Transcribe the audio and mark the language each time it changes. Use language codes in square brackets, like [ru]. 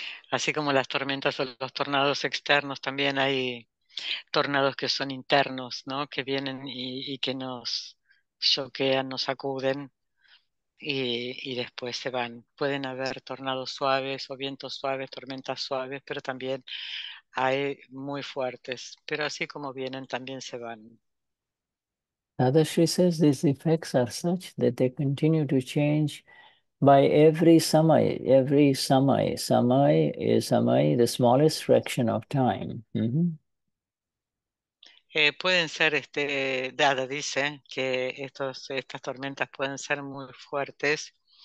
[es] Así como las tormentas o los tornados externos, también hay tornados que son internos, ¿no? Que vienen y que nos choquean, nos sacuden y después se van. Pueden haber tornados suaves o vientos suaves, tormentas suaves, pero también hay muy fuertes. Pero así como vienen, también se van. [en] Dadashri says these effects are such that they continue to change by every samay, samay is samay, the smallest fraction of time. [es] Pueden ser, Dada dice que estas tormentas pueden ser muy fuertes,